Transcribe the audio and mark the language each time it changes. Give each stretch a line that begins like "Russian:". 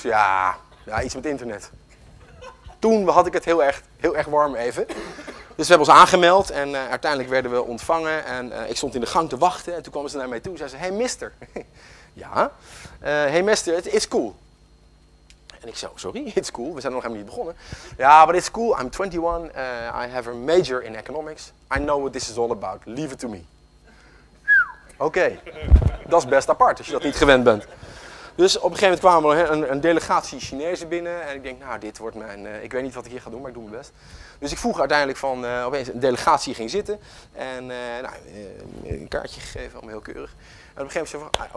Dutch: Ja, iets met internet. Toen had ik het heel erg warm even. Dus we hebben ons aangemeld en uiteindelijk werden we ontvangen. En ik stond in de gang te wachten en toen kwamen ze naar mij toe. Zeiden ze,
English: hey mister.
Dutch: Ja,
English: hey mister, it's cool.
Dutch: En ik zei,
English: sorry, it's cool,
Dutch: we zijn nog helemaal niet begonnen.
English: Ja, but it's cool, I'm 21, I have a major in economics. I know what this is all about, leave it to me.
Dutch: Oké, dat is best apart als je dat niet gewend bent. Dus op een gegeven moment kwamen er een delegatie Chinezen binnen. En ik denk, nou, dit wordt mijn... ik weet niet wat ik hier ga doen, maar ik doe mijn best. Dus ik vroeg uiteindelijk van... opeens een delegatie ging zitten. En een kaartje gegeven, allemaal heel keurig. En op een gegeven moment zei van...